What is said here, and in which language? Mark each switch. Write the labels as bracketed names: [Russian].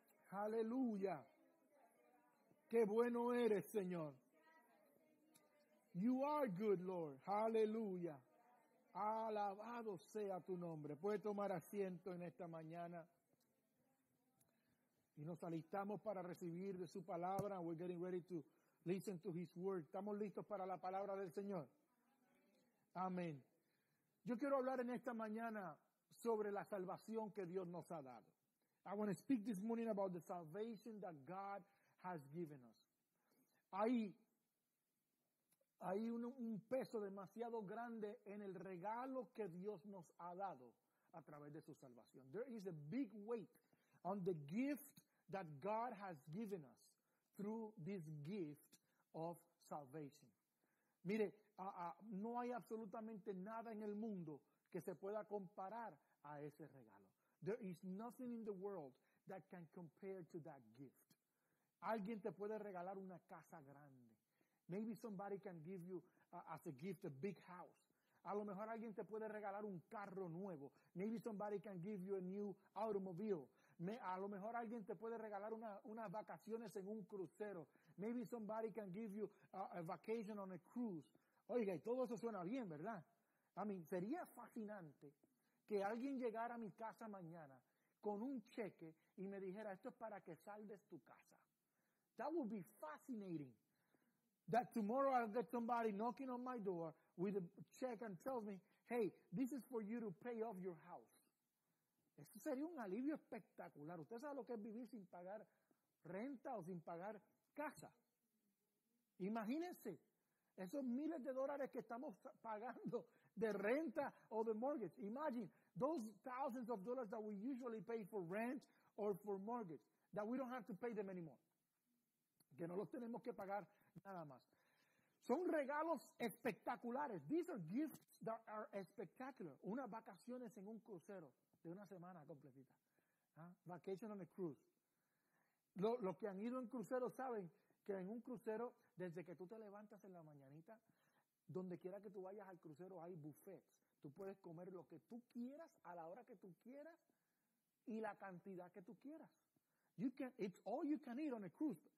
[Spanish] Aleluya. Qué bueno eres, Señor. [English] You are good, Lord. [Spanish] Aleluya. Alabado sea tu nombre. Puede tomar asiento en esta mañana. Y nos alistamos para recibir de su palabra. [English] We're getting ready to listen to his word. [Spanish] Estamos listos para la palabra del Señor. Amén. Yo quiero hablar en esta mañana sobre la salvación que Dios nos ha dado. [English] I want to speak this morning about the salvation that God has given us. [Spanish] Hay un peso demasiado grande en el regalo que Dios nos ha dado a través de su salvación. [English] There is a big weight on the gift that God has given us through this gift of salvation. [Spanish] Mire, no hay absolutamente nada en el mundo que se pueda comparar a ese regalo. [English] There is nothing in the world that can compare to that gift. [Spanish] Alguien te puede regalar una casa grande. [English] Maybe somebody can give you as a gift a big house. [Spanish] A lo mejor alguien te puede regalar un carro nuevo. [English] Maybe somebody can give you a new automobile. [Spanish] A lo mejor alguien te puede regalar unas vacaciones en un crucero. [English] Maybe somebody can give you a vacation on a cruise. [Spanish] Oiga, y todo eso suena bien, ¿verdad? [English] I mean, [Spanish] sería fascinante que alguien llegara a mi casa mañana con un cheque y me dijera, esto es para que saldes tu casa. [English] That would be fascinating. That tomorrow I'll get somebody knocking on my door with a check and tells me, hey, this is for you to pay off your house. [Spanish] Esto sería un alivio espectacular. Usted sabe lo que es vivir sin pagar renta o sin pagar casa. Imagínense esos miles de dólares que estamos pagando de renta o de mortgage. [English] Imagine those thousands of dollars that we usually pay for rent or for mortgage that we don't have to pay them anymore. [Spanish] Que no los tenemos que pagar nada más. Son regalos espectaculares. [English] These are gifts that are spectacular. [Spanish] Unas vacaciones en un crucero de una semana completita. [English] Vacation on a cruise. [Spanish] Los que han ido en crucero saben que en un crucero, desde que tú te levantas en la mañanita, donde quiera que tú vayas al crucero hay buffets. Tú puedes comer lo que tú quieras a la hora que tú quieras y la cantidad que tú quieras. [English] It's all you can eat on a cruise.